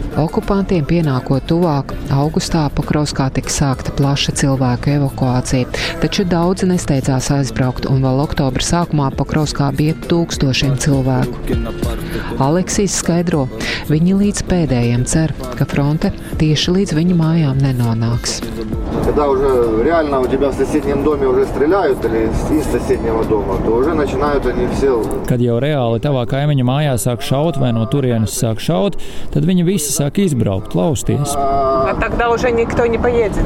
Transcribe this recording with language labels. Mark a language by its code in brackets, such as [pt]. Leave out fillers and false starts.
[lv] Okupantiem pienākot tuvāk, augustā Pokrovskā tika sākta plaša cilvēku evakuācija, taču daudzi nesteidzās aizbraukt un vēl oktobra sākumā Pokrovskā bija tūkstošiem cilvēku. Aleksijs skaidro, viņi līdz pēdējiem cer, ka fronte tieši līdz viņu mājām nenonāks. [ru] Когда уже реально у тебя в соседнем доме уже стреляют или из соседнего дома, то уже начинают они все. [lv] Kad jau reāli tavā kaimiņa mājā sāk šaut vai no turienes sāk šaut, tad viņi visi sāk izbraukt, lausties. [ru] А тогда уже никто не поедет.